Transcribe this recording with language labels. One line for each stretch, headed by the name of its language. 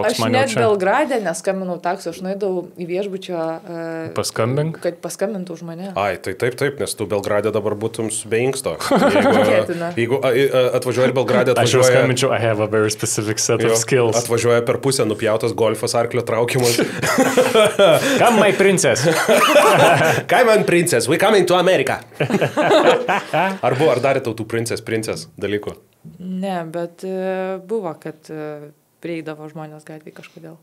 Lithuanian: Aš net Belgrade neskambinau taksu, aš nuėdau į viešbučio... Paskambink? Kad paskambintų už mane. Ai, tai taip, nes tu Belgrade dabar būtum be inksto. Jeigu atvažiuoja ir Belgrade atvažiuoja... Aš jau skambinčiau,
English: I have a very specific set of skills.
Lithuanian: Atvažiuoja per pusę nupjautas golfas arklio traukimas.
English: Come my princess. Come on princess, we coming to America.
Lithuanian: ar darė tau tų princess dalykų? Ne, bet buvo, kad prieidavo žmonės gatvėj kažkodėl.